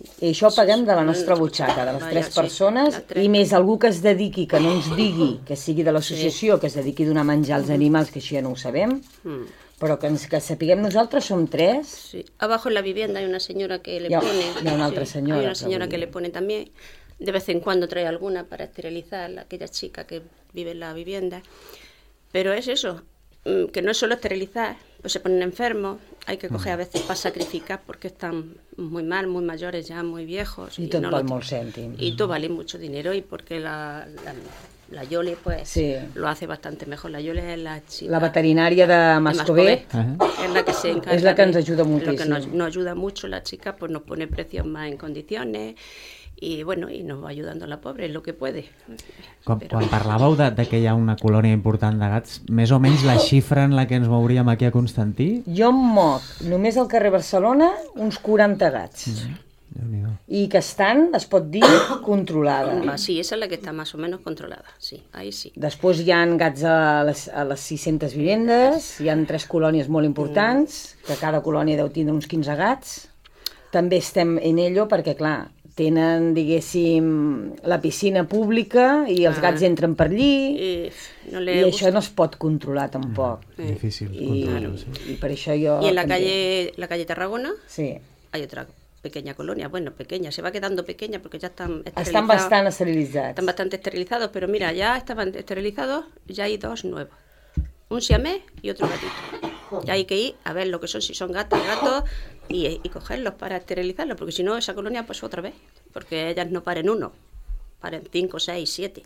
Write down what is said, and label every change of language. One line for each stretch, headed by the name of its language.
Catalan: això ho paguem de la nostra butxaca, de les tres persones, i més algú que es dediqui, que no ens digui, que sigui de l'associació, que es dediqui a donar menjar als animals, que així ja no ho sabem. Però que sapiguem nosaltres, som tres. Sí.
Spanish: Abajo en la vivienda hay una señora que le pone.
Catalan: Hi ha una altra senyora. Sí.
Spanish: Hay una señora que le pone también. De vez en cuando trae alguna para esterilizar a aquella chica que vive en la vivienda. Pero es eso, que no es solo esterilizar, pues se ponen enfermos, hay que coger a veces para sacrificar porque están muy mal, muy mayores ya, muy viejos.
Catalan: I tot val molt cèntim.
Spanish: Y tú vales mucho dinero y porque la Yole, pues, sí. Lo hace bastante mejor. La Yole es la chica...
Catalan: La veterinària de Mascobet. És la que s'encarga. És la que ens ajuda moltíssim.
Spanish: Lo que nos ajuda mucho, la chica, pues nos pone precios más en condiciones y, bueno, y nos va ayudando a la pobre, lo que puede.
Catalan: Quan parlàveu de que hi ha una colònia important de gats, més o menys la xifra en la que ens mouríem aquí a Constantí? Jo em moc, només al carrer Barcelona, uns 40 gats. I que estan, es pot dir, controlada.
Spanish: Sí, esa es la que está más o menos controlada. Sí, ahí sí.
Catalan: Després hi ha gats a les 600 vivendes, hi ha tres colònies molt importants, que cada colònia deu tindre uns 15 gats. També estem en
Spanish: ello
Catalan: perquè, clar, tenen, diguéssim, la piscina pública i els gats entren per allí. I això no es pot controlar tampoc. Difícil controlar-ho, sí. I per això jo...
Spanish: I en la calle Tarragona? Sí. Hay otra pequeña colonia, bueno, pequeña, se va quedando pequeña porque ya están esterilizados. Están bastante esterilizados. Están bastante esterilizados, pero mira, ya estaban esterilizados, ya hay dos nuevos. Un siamés y otro gatito. Ya hay que ir a ver lo que son, si son gatos, gatos, y cogerlos para esterilizarlos, porque si no, esa colonia, pues otra vez, porque ellas no paren uno, paren cinco, seis, siete.